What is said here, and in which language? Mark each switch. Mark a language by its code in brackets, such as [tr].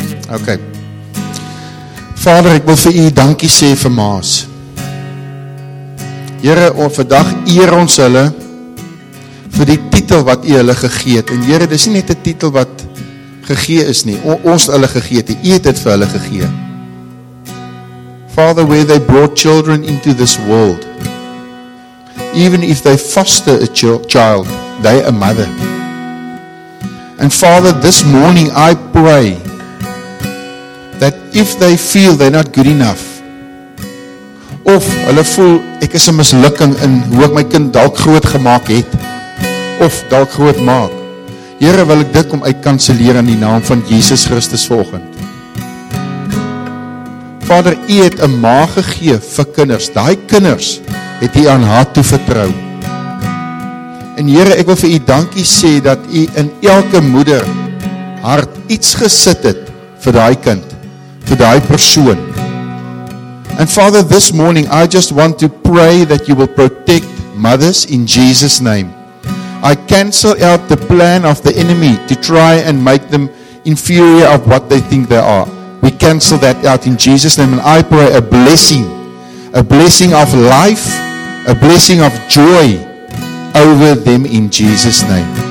[af] Oké, okay. Vader, ek wil vir u dankie sê vir maas. Here, vandag eer ons hulle vir die titel wat u hulle gegee het. En Here, dis nie net 'n titel wat gegee is nie. Ons hulle gegee het, u het dit vir hulle gegee. [en] Father, where they brought children into this world, even if they foster a child, they a mother. And Father, this morning I pray that if they feel they're not good enough, [af] of hulle voel, ek is 'n mislukking in hoe ek my kind dalk groot gemaak het, of dalk groot maak, Here, wil ek dit kom uitkanselleer in die naam van Jesus Christus volgend. Vader, U het 'n ma gegee vir kinders, daai kinders het U aan haar toe vertrou. En Here, ek wil vir U dankie sê, dat U in elke moeder hart iets gesit het vir daai kind, vir daai persoon. [en] And Father, this morning I just want to pray that you will protect mothers in Jesus' name. I cancel out the plan of the enemy to try and make them inferior of what they think they are. We cancel that out in Jesus' name, and I pray a blessing of life, a blessing of joy over them in Jesus' name.